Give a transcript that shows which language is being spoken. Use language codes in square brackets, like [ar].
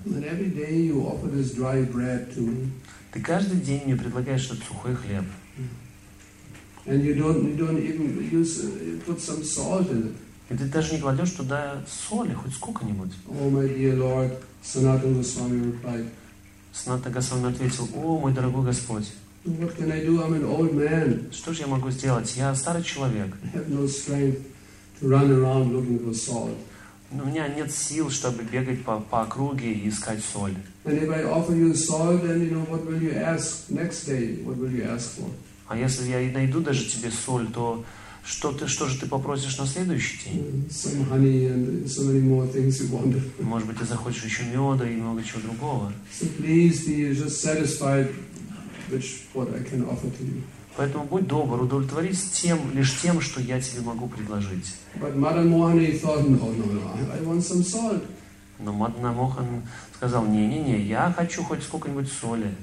[en] Every day you offer this dry bread to me. [ru] Ты каждый день мне предлагаешь этот сухой хлеб. [en] And you don't even put some salt in it. [ru] И ты даже не кладешь туда соли, хоть сколько-нибудь. [en] Oh, my dear Lord, Sanatana Goswami replied. [ru] Санатана Госвами ответил: «О, мой дорогой Господь! [en] What can I do? I'm an old man. [ru] Что же я могу сделать? Я старый человек. [en] I have no strength to run around looking for salt. [ru] Но у меня нет сил, чтобы бегать по округе и искать соль. [en] And if I offer you salt, then you know what will you ask next day? What will you ask for? [ru] А если я и найду даже тебе соль, то что же ты попросишь на следующий день? [en] Some honey and so many more things you want. [ru] Может быть, ты захочешь еще меда и много чего другого. [en] So please be just satisfied with what I can offer to you. [ru] Поэтому будь добр, удовлетворись тем, лишь тем, что я тебе могу предложить. [en] But Madan Mohan thought, no, I want some salt. [ru] Но Мадан Мохан сказал: не, я хочу хоть сколько-нибудь соли.